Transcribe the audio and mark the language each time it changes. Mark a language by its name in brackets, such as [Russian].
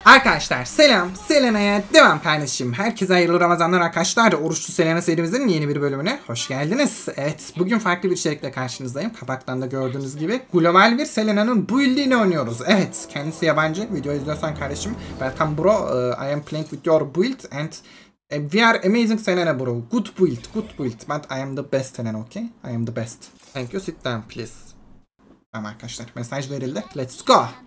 [Turkish] Arkadaşlar selam, Selena'ya devam kardeşim. Herkese hayırlı Ramazanlar arkadaşlar. Oruçlu Selena serimizin yeni bir bölümüne hoş geldiniz. Evet, bugün farklı bir içerikle karşınızdayım. Kapaktan da gördüğünüz gibi global bir Selena'nın build'ini oynuyoruz. Evet, kendisi yabancı. Video izliyorsan kardeşim, [English] welcome bro. I am playing with your build and we are amazing Selena bro. Good build, good build. But I am the best Selena, okay? I am the best. Thank you, sit down please. [Turkish] Tamam arkadaşlar, mesaj verildi. [English] Let's go.